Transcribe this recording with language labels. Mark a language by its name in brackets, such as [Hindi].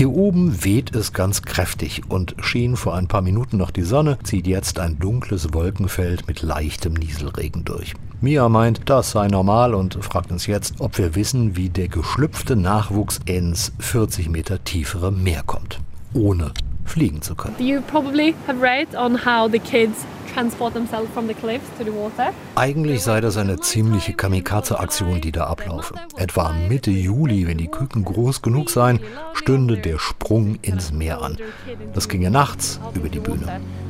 [German] Hier oben weht es ganz kräftig und schien vor ein paar Minuten noch die Sonne, zieht jetzt ein dunkles Wolkenfeld mit leichtem Nieselregen durch. Mia meint, das sei normal und fragt uns jetzt, ob wir wissen, wie der geschlüpfte Nachwuchs ins 40 Meter tiefere Meer kommt, ohne fliegen zu können. [English] You probably have read on how the kids transport themselves from the cliffs to the water. [German] Eigentlich sei das eine ziemliche Kamikaze-Aktion, die da ablaufe. Etwa Mitte Juli, wenn die Küken groß genug seien, stünde der Sprung ins Meer an. Das ginge nachts über die Bühne.